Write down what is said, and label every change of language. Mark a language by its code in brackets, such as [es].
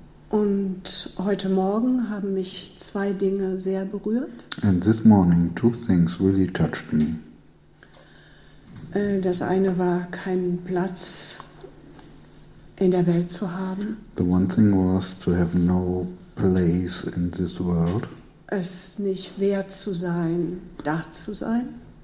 [de] Und heute Morgen haben mich zwei Dinge sehr berührt. [en] And this morning two things really touched me. [de] Das eine war keinen Platz in der Welt zu haben. [en] The one thing was to have no place in this world. [de] Es nicht wert zu sein, da zu sein.